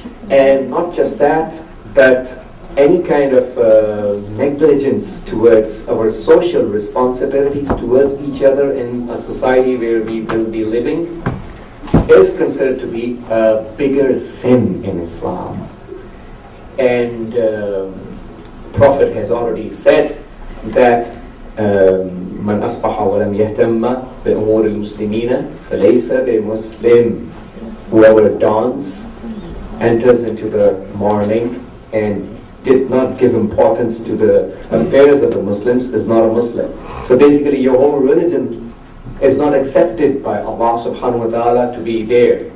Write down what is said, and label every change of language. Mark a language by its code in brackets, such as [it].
[en] And not just that, but any kind of negligence towards our social responsibilities towards each other in a society where we will be living is considered to be a bigger sin in Islam. And Prophet has already said that [ar] من أصبح ولم يهتم بأمور المسلمين فليس بمسلم. [en] Whoever dawns, enters into the morning, and did not give importance to the affairs of the Muslims is not a Muslim. So basically your whole religion is not accepted by Allah subhanahu wa ta'ala to be there.